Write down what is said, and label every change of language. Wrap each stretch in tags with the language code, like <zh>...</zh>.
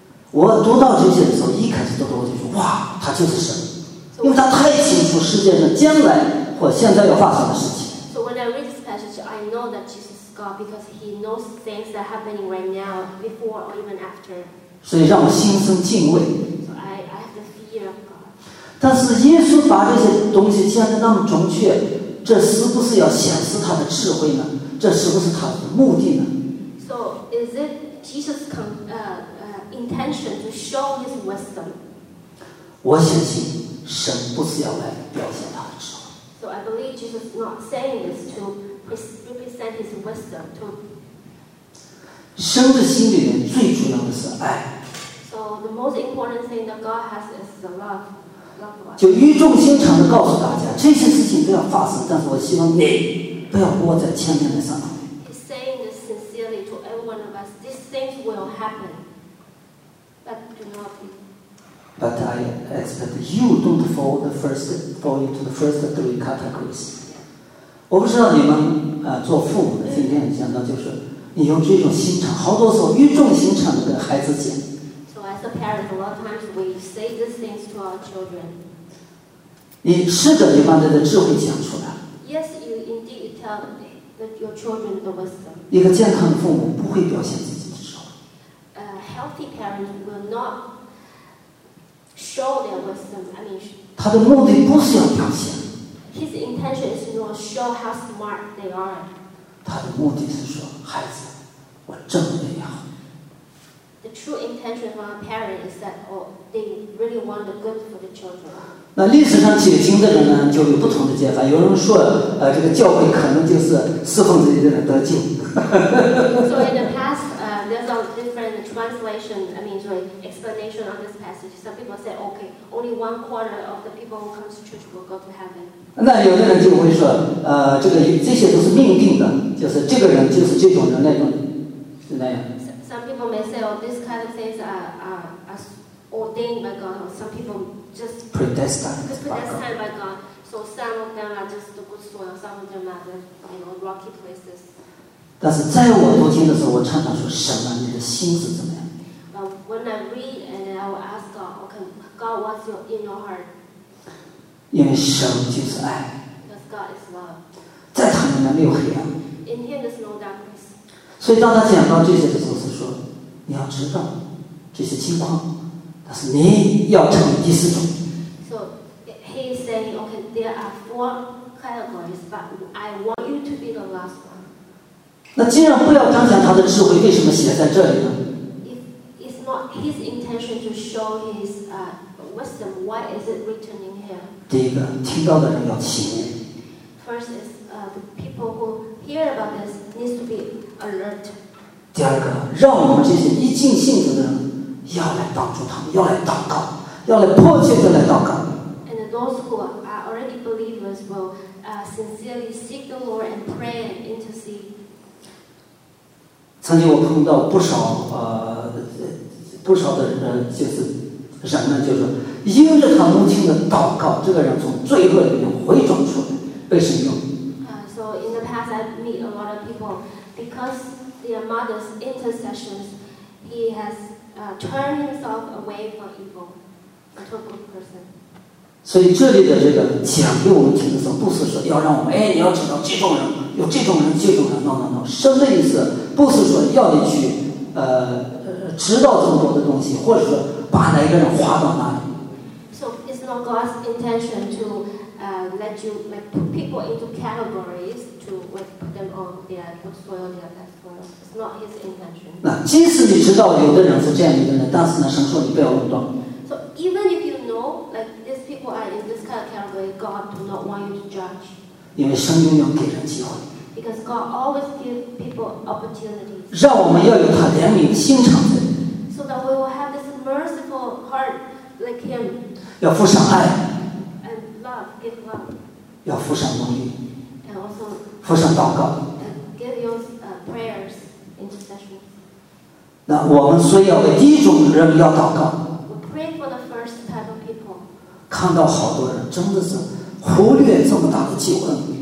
<zh>我读到这些的时候，一开始都是我就说，哇，他就是神，因为他太清楚世界上将来或现在要发生的事情。</zh> <en>So when I read this passage, I know that Jesus is God because He knows things that are happening right now, before or even after.</en> <zh>所以让我心生敬畏。</zh> <en>So I have the fear of God.</en> <zh>但是耶稣把这些东西讲得那么准确，这是不是要显示他的智慧呢？这是不是他的目的呢？</zh> <en>So is it Jesus' intention to show his wisdom?</en> <zh>我相信神不是要来表现他的智慧。</zh> <en>So I believe Jesus is not saying this to represent his wisdom. To</en> <zh>神的心里面最主要的是爱。</zh> <en>So the most important thing that God has is the love.</en> <zh>就语重心长地告诉大家，这些事情都要发生，但是我希望你。不要窝在千年的山上。</zh> <en>He's saying this sincerely to every one of us. These things will happen, but do not. But I expect you don't fall the first fall into the first three categories.</en> <zh>我不知道你们做父母的今天想到就是，你用这种心肠，好多时候语重心长的跟孩子讲。</zh> <en>So as a parent, a lot of times we say these things to our children.</en> <zh>你试着你把你的智慧讲出来。</zh> <en>Yes, you indeed tell your children the wisdom.</en> <zh>一个健康的父母不会表现自己的智慧。</zh> <en>A healthy parent will not show their wisdom. I mean,</en> <zh>他的目的不是要表现。</zh> <en>His intention is not show how smart they are.</en> <zh>他的目的是说，孩子，我真的也好。</zh> <en>The true intention of a parent is that, oh, they really want the good for the children.</en> <zh>那历史上解经的人呢，就有不同的解法。有人说，这个教会可能就是侍奉自己的人得救。</zh> <en>So in the past, there's a different translation. I mean, sorry, explanation on this passage. Some people say, okay, only one quarter of the people who come to church will go to heaven.</en> <zh>那有的人就会说，这些都是命定的，就是这个人就是这种人那种，是那样。</zh> <en>Some people may say, oh, this kind of things are ordained by God. Some people. Just predestined by God. So some of them are just the good soil, some of them are the, you know, rocky places.</en> <zh>但是在我读经的时候，我常常说神啊，你的心是怎么样？</zh> <en>But when I read and I will ask God, okay, God, what's in your heart?</en> <zh>因为神就是爱。</zh> <en>Because God is love.</en> <zh>在他里面没有黑暗。</zh> <en>In Him there's no darkness.</en> <zh>所以当他讲到这些的时候，是说你要知道这些情况。但是你要成为第四种。</zh> <en>So he is saying, okay, there are four categories, but I want you to be the last one.</en> <zh>那既然不要彰显他的智慧，为什么写在这里呢？</zh> <en>It's not his intention to show his wisdom. Why is it written in here?</en> <zh>第一个，听到的人要起念。</zh> <en>First is the people who hear about this needs to be alert.</en> <zh>第二个，让我们这些一进信主的人。要来帮助他们，要来祷告，要来迫切的来祷告。</zh> <en>And those who are already believers will sincerely seek the Lord and pray and intercede.</en> <zh>曾经我碰到不少的人，就是人们就是因着他母亲的祷告，这个人从罪恶里面回转出来，被神用。</zh> <en>So in the past, I meet a lot of people because their mother's intercessions. He has turned himself away from evil, a total person.</en> <zh>所以这里的这个讲给我们听的时候，不是说要让我们哎，你要知道这种人有这种人这种人 ，no， 生的意思不是说要你去知道这么多的东西，或者说把哪一个人划到哪里。</zh> <en>So it's not God's intention to let you like put people into categories to put them on their soil, their best soil. It's not His intention.</en> <zh>那即使你知道有的人是这样一个人，但是呢，神说你不要论断。</zh> <en>So even if you know like these people are in this kind of category, God do not want you to judge.</en> <zh>因为神永远给人机会。</zh> <en>Because God always gives people opportunities.</en> <zh>让我们要有他怜悯心肠。</zh> <en>So that we will have this merciful heart. Like、him.</en> <zh>要付上爱</zh> <en>and love,</en> <zh>要付上能力</zh> <en>and also,</en> <zh>付上祷告</zh> <en>and give your, prayers, intercession.</en> <zh>那我们所以要为第一种人要祷告</zh> <en>we pray for the first type of people.</en> <zh>看到好多人真的是忽略这么大的机会</zh>